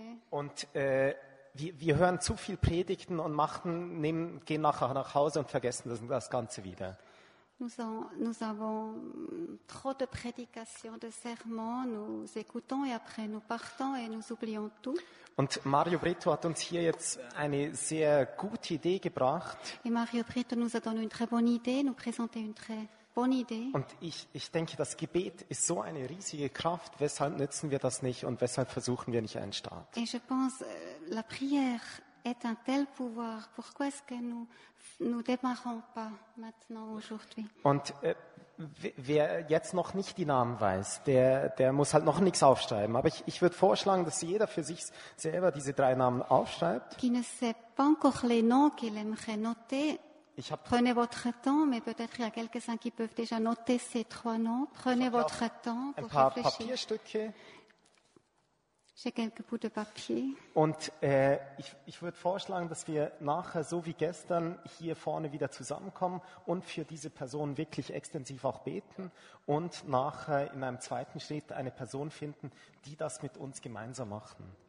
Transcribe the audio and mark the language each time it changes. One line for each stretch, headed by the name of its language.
German: Und wir hören zu viel Predigten und gehen nachher nach Hause und vergessen das Ganze wieder.
French: Nous avons trop de prédications, de sermons, nous écoutons et après nous partons et nous oublions tout.
German: Und Mario Brito hat uns hier jetzt eine sehr gute Idee gebracht.
French: Et Mario Brito nous a donné une très bonne idée, nous présentait une très bonne idée.
German: Und ich denke, das Gebet ist so eine riesige Kraft, weshalb nützen wir das nicht und weshalb versuchen wir nicht einen Start?
French: Et je pense, la prière est un tel pouvoir, pourquoi est-ce que nous démarrons pas maintenant aujourd'hui?
German: Und wer jetzt noch nicht die Namen weiß, der muss halt noch nichts aufschreiben. Aber ich würde vorschlagen, dass jeder für sich selber diese drei Namen aufschreibt.
French: Qui ne sait pas encore les noms qu'il aimerait noter, prenez votre temps, mais peut-être il y a quelques-uns qui peuvent déjà noter ces trois noms. Prenez votre temps pour réfléchir.
German: Ein paar Papierstücke.
French: J'ai quelques bouts de papier.
German: Und ich würde vorschlagen, dass wir nachher, so wie gestern, hier vorne wieder zusammenkommen und für diese Person wirklich extensiv auch beten und nachher in einem zweiten Schritt eine Person finden, die das mit uns gemeinsam machen.